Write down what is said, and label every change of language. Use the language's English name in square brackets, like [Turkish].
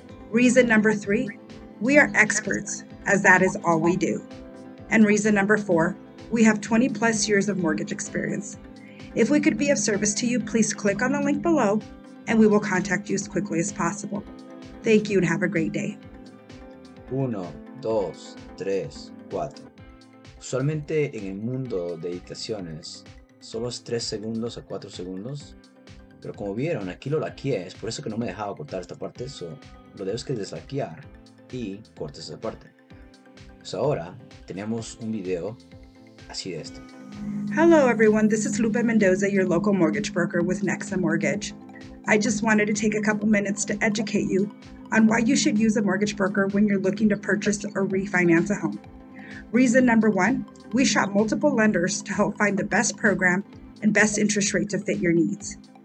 [English] Reason number three, we are experts as that is all we do. And reason number four, we have 20 plus years of mortgage experience. If we could be of service to you, please click on the link below and we will contact you as quickly as possible. Thank you and have a great day. [Spanish] Uno, dos, tres, cuatro. Usualmente en el mundo de editaciones, solo es 3 segundos a 4 segundos. Pero como vieron, aquí lo laqueé, es por eso que no me dejaba cortar esta parte. So, lo debes que deslaquear y cortes esa parte. So, ahora tenemos un video así de esto. [English] Hello everyone, this is Lupe Mendoza, your local mortgage broker with Nexa Mortgage. I just wanted to take a couple minutes to educate you on why you should use a mortgage broker when you're looking to purchase or refinance a home. Reason number one, we shop multiple lenders to help find the best program and best interest rate to fit your needs.